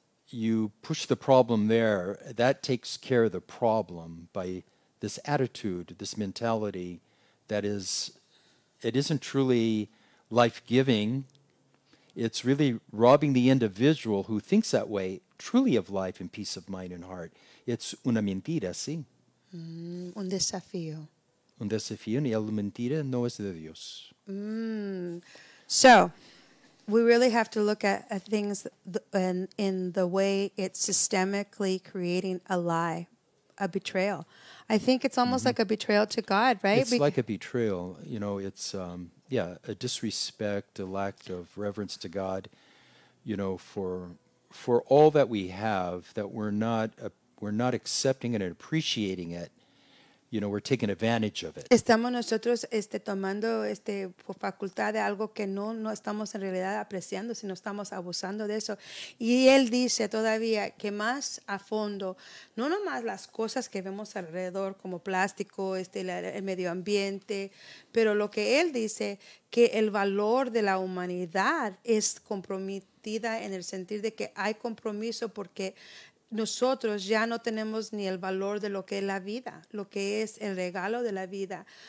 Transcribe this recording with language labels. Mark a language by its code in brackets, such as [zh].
[en] You push the problem there. That takes care of the problem by this attitude, this mentality that is, it isn't truly life-giving. It's really robbing the individual who thinks that way truly of life and peace of mind and heart. [es] It's una mentira, sí. Un desafío. Un desafío, y la mentira no es de Dios. [en] So, we really have to look at things in the way it's systemically creating a lie, a betrayal. I think it's almost mm-hmm. like a betrayal to God, right? It's like a betrayal. You know, it's... a disrespect, a lack of reverence to God, you know, for all that we have, that we're not accepting it and appreciating it, you know, we're taking advantage of it. [es] Estamos nosotros tomando por facultad de algo que no estamos en realidad apreciando, sino estamos abusando de eso. Y él dice todavía que más a fondo, no nomás las cosas que vemos alrededor como plástico, el medio ambiente, pero lo que él dice que el valor de la humanidad es comprometida en el sentido de que hay compromiso porque nosotros ya no tenemos ni el valor de lo que es la vida, lo que es el regalo de la vida.